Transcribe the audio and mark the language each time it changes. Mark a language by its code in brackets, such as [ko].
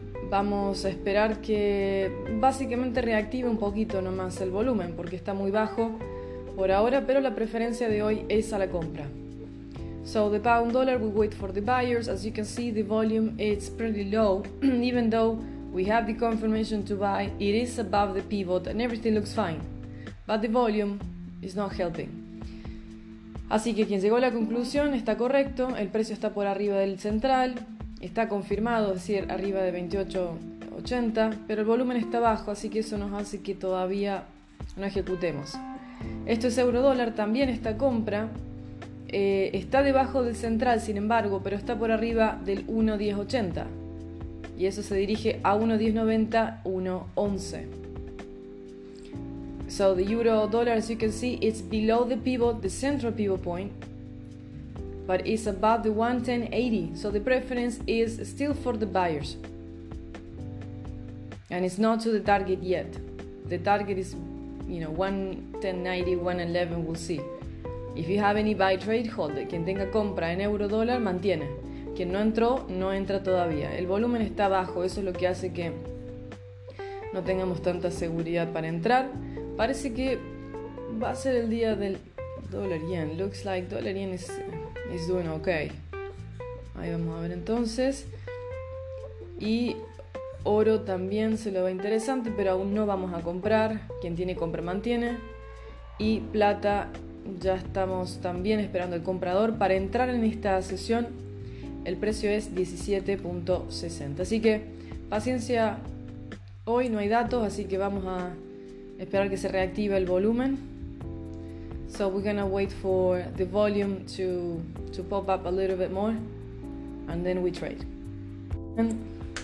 [es] Vamos a esperar que básicamente reactive un poquito nomás el volumen, porque está muy bajo por ahora, pero la preferencia de hoy es a la compra. [en] So the pound dollar, we wait for the buyers. As you can see, the volume is pretty low, even though we have the confirmation to buy, it is above the pivot and everything looks fine, but the volume is not helping. [es] Así que quien llegó a la conclusión está correcto, el precio está por arriba del central. Está confirmado, es decir, arriba de 28.80, pero el volumen está bajo, así que eso nos hace que todavía no ejecutemos. Esto es euro-dólar, también esta compra está debajo del central, sin embargo, pero está por arriba del 1.1080. Y eso se dirige a 1.1090, 1.11. [en] So the euro-dólar, as you can see, it's below the pivot, the central pivot point. But it's above the 110.80, so the preference is still for the buyers. And it's not to the target yet. The target is, you know, 110.90, 111, we'll see. If you have any buy trade, hold it. [es] Quien tenga compra en euro dólar, mantiene. Quien no entró, no entra todavía. El volumen está bajo, eso es lo que hace que no tengamos tanta seguridad para entrar. Parece que va a ser el día del dólar yen. [en] Looks like dólar yen is... It's doing okay. [es] Ahí vamos a ver entonces. Y oro también se lo ve interesante, pero aún no vamos a comprar. Quien tiene compra mantiene. Y plata, ya estamos también esperando el comprador. Para entrar en esta sesión, el precio es 17.60. Así que paciencia, hoy no hay datos, así que vamos a esperar que se reactive el volumen. [en] So we're gonna wait for the volume to pop up a little bit more, and then we trade. And